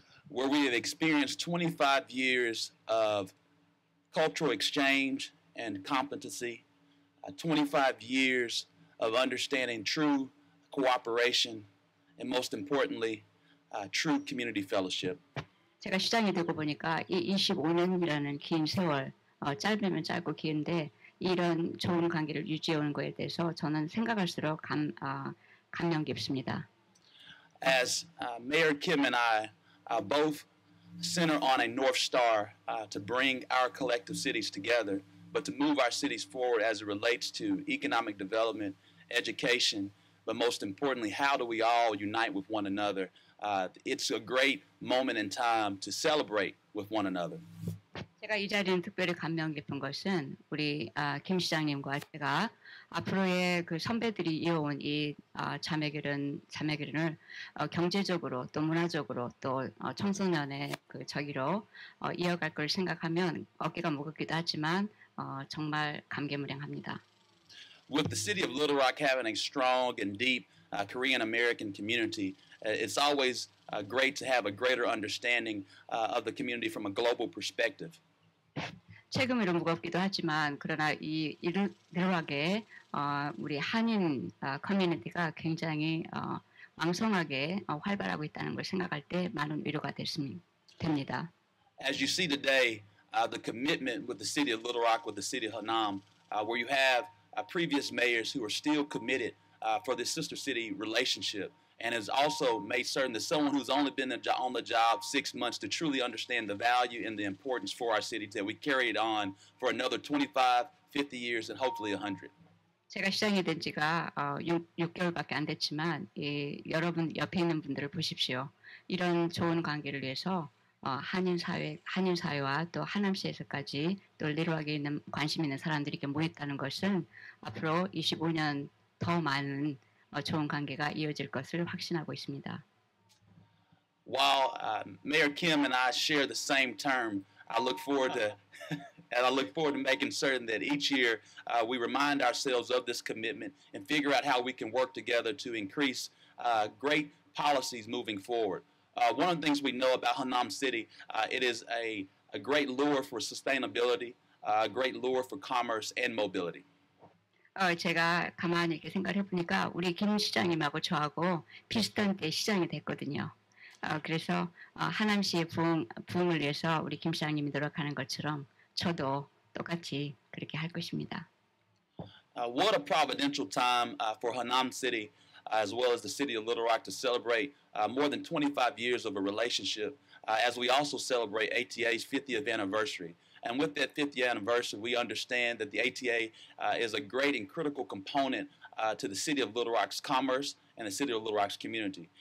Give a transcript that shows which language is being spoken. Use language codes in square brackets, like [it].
[en] Where we have experienced 25 years of cultural exchange and competency, 25 years of understanding true cooperation, and most importantly, true community fellowship. [ko] 제가 시장이 되고 보니까 이 25년이라는 긴 세월, 짧으면 짧고 긴데 이런 좋은 관계를 유지해오는 것에 대해서 저는 생각할수록 감명 깊습니다. [en] As Mayor Kim and I both center on a North Star to bring our collective cities together, but to move our cities forward as it relates to economic development, education, but most importantly, how do we all unite with one another? It's a great moment in time to celebrate with one another. [ko] 제가 이 자리는 특별히 감명 깊은 것은 우리 김 시장님과 제가 앞으로의 그 선배들이 이어온 이 자매결연을 경제적으로 또 문화적으로 또 청소년의 그 저기로 이어갈 걸 생각하면 어깨가 무겁기도 하지만 정말 감개무량합니다. [en] With the city of Little Rock having a strong and deep Korean-American community, it's always great to have a greater understanding of the community from a global perspective. [ko] 책임이로 무겁기도 하지만 그러나 이 Little Rock의 우리 한인 커뮤니티가 굉장히 왕성하게 활발하고 있다는 걸 생각할 때 많은 위로가 됩니다. [en] As you see today, the commitment with the city of Little Rock, with the city of Hanam, where you have previous mayors who are still committed for this sister city relationship, and has also made certain that someone who's only been on the job 6 months to truly understand the value and the importance for our city, that we carry it on for another 25, 50 years, and hopefully 100. [ko] 제가 시장이 된 지가 6개월밖에 안 됐지만 여러분 옆에 있는 분들을 보십시오. 이런 좋은 관계를 위해서 한인 사회와 또 하남시에서까지 또 리로하게 있는 관심 있는 사람들이 이렇게 모였다는 것은 앞으로 25년 더 많은 좋은 관계가 이어질 것을 확신하고 있습니다. [en] While Mayor Kim and I share the same term, I look forward to making certain that each year we remind ourselves of this commitment and figure out how we can work together to increase great policies moving forward. One of the things we know about Hanam City, it is a great lure for sustainability, a great lure for commerce and mobility. [ko] 제가 가만히 이렇게 생각해 보니까 우리 김 시장님하고 저하고 비슷한 때 시장이 됐거든요. 그래서 하남시의 부흥을 위해서 우리 김 시장님이 노력하는 것처럼 저도 똑같이 그렇게 할 것입니다. [en] What a providential time for Hanam City, as well as the city of Little Rock, to celebrate more than 25 years of a relationship, as we also celebrate ATA's 50th anniversary. And with that 50th anniversary, we understand that the ATA is a great and critical component to the city of Little Rock's commerce and the city of Little Rock's community.